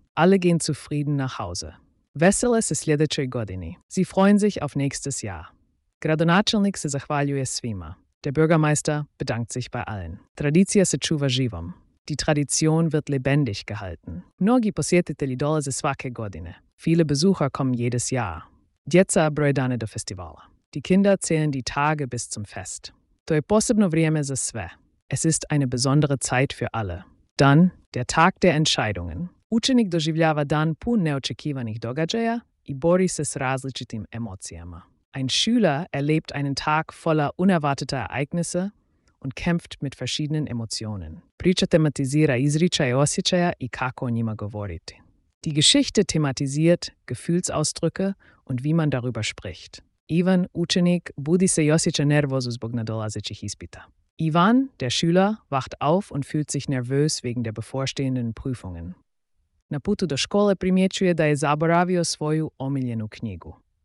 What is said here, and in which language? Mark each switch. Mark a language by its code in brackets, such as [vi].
[de] Alle gehen zufrieden nach Hause. [hr] Vesele se sljedećoj godini. [de] Sie freuen sich auf nächstes Jahr. [hr] Gradonačelnik se zahvaljuje svima. [de] Der Bürgermeister bedankt sich bei allen. [hr] Tradicija se čuva živom. [de] Die Tradition wird lebendig gehalten. [hr] Mnogi posjetitelji dolaze svake godine. [de] Viele Besucher kommen jedes Jahr. [hr] Djeca broje dane do festivala. [de] Die Kinder zählen die Tage bis zum Fest. [hr] To je posebno vrijeme za sve. [de] Es ist eine besondere Zeit für alle. Dann, der Tag der Entscheidungen. [hr] Učenik doživljava dan pun neočekivanih događaja i bori se s različitim emocijama. [de] Ein Schüler erlebt einen Tag voller unerwarteter Ereignisse und kämpft mit verschiedenen Emotionen. [hr] Priča tematizira izričaje osjećaja i kako o njima govoriti. [de] Die Geschichte thematisiert Gefühlsausdrücke und wie man darüber spricht. [hr] Ivan, učenik, budi se i osjeća nervozu zbog nadolazećih ispita. [de] Ivan, der Schüler, wacht auf und fühlt sich nervös wegen der bevorstehenden Prüfungen. [hr] Na putu do škole primjećuje da je zaboravio svoju omiljenu knjigu.